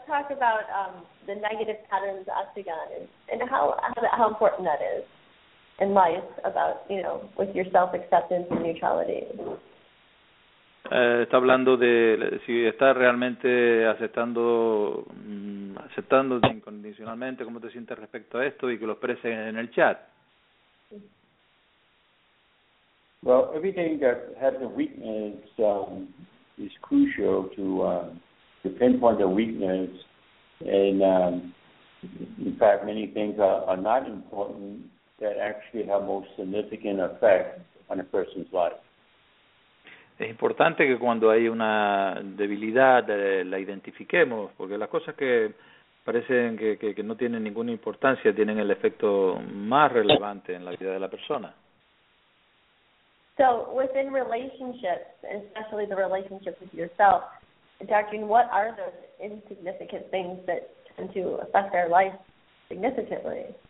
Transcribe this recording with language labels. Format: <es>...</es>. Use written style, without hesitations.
<en>talk about the negative patterns, the octagon, and how important that is in life about, you know, with your self-acceptance and neutrality.</en> <es>Está hablando de si estás realmente aceptándote incondicionalmente, cómo te sientes respecto a esto y que lo expreses en el chat.</es> <en>Well, everything that has a weakness is crucial to pinpoint the weakness, and in fact, many things are not important that actually have most significant effect on a person's life.</en> <es>Es importante que cuando hay una debilidad la identifiquemos, porque las cosas que parecen que no tienen ninguna importancia tienen el efecto más relevante en la vida de la persona.</es> <en>So, within relationships, especially the relationship with yourself, Dr. Yun, what are those insignificant things that tend to affect our life significantly?</en>